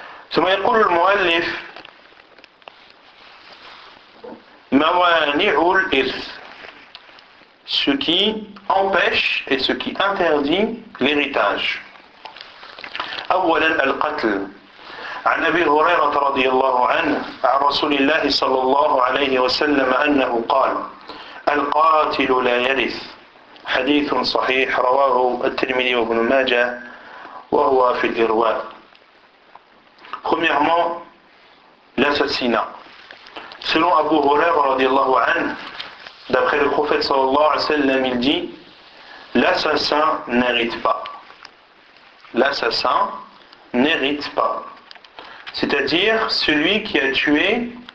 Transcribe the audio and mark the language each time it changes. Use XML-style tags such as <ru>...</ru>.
<fr>Ce qu'on appelle le mu'allif, mawani'ul irth, ce qui empêche et ce qui interdit l'héritage.</fr> <ar>Awwal al-qatl. عن أبي هريرة رضي الله عنه عن رسول الله صلى الله عليه وسلم أنه قال القاتل لا يرث. حديث صحيح رواه الترمذي وابن ماجة وهو في الإرواء.</ar> <fr>Premièrement, l'assassinat. Selon Abu Huraira</fr> <ar>رضي الله عنه,</ar> <fr>D'après le prophète sallallahu alayhi wa sallam, il dit l'assassin n'hérite pas. L'assassin n'hérite pas. C'est-à-dire celui qui a tué.</fr>